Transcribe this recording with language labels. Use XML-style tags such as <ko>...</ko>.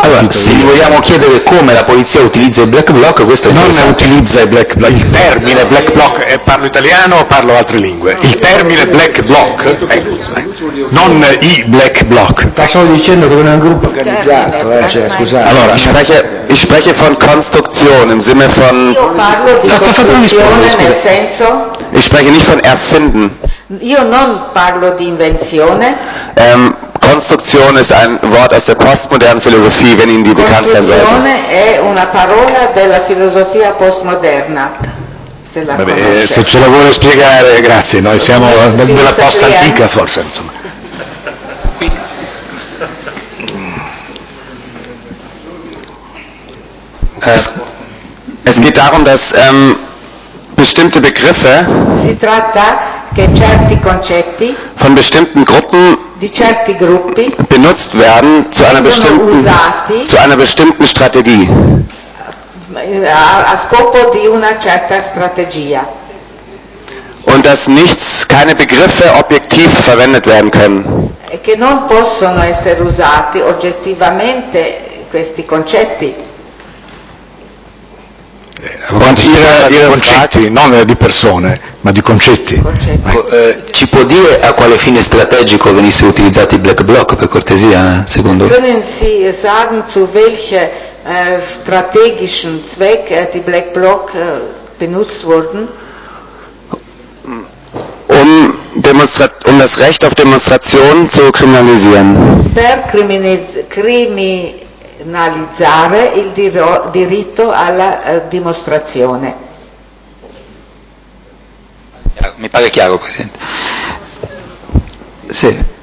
<it>Allora, se vogliamo chiedere come la polizia utilizza il Black Bloc, questo è non utilizza. Il termine Black Bloc, parlo italiano o parlo altre lingue? Il termine Black Bloc, non i Black Bloc. Sta solo dicendo che non è un gruppo organizzato, cioè, scusate.</it> <de>Allora, ich spreche von Konstruktion im Sinne von.</de> <it>Io parlo di Konstruktion nel senso.</it> <de>Ich spreche nicht von Erfinden.</de> <it>Io non parlo di Invenzione.</it> <de>Konstruktion ist ein Wort aus der postmodernen Philosophie, wenn Ihnen die bekannt sein sollte.</de> <it>Konstruktion è una parola della filosofia postmoderna. Se la vabbè, se ce la vuole spiegare, grazie. Noi siamo della post antica, forse. Insomma.</it> <de>Es geht darum, dass bestimmte Begriffe.</de> <it>Si tratta che certi concetti.</it> <de>Von bestimmten Gruppen.</de> <it>Di certi gruppi</it> <de>benutzt werden zu einer bestimmten Strategie.</de> <it>A scopo di una certa strategia.</it> <de>Und dass keine Begriffe objektiv verwendet werden können.</de> <it>E che non possono essere usati oggettivamente questi concetti. Quanti ihre concetti, non di persone, ma di concetti. Ci può dire a quale fine strategico venisse utilizzati i Black Bloc, per cortesia, secondo voi?</it> <de>Können Sie sagen, zu welchem strategischen Zweck die Black Bloc benutzt wurden? Um das Recht auf Demonstration zu kriminalisieren.</de> <it>Per analizzare il diritto alla dimostrazione. Mi pare chiaro, Presidente. Sì.</it>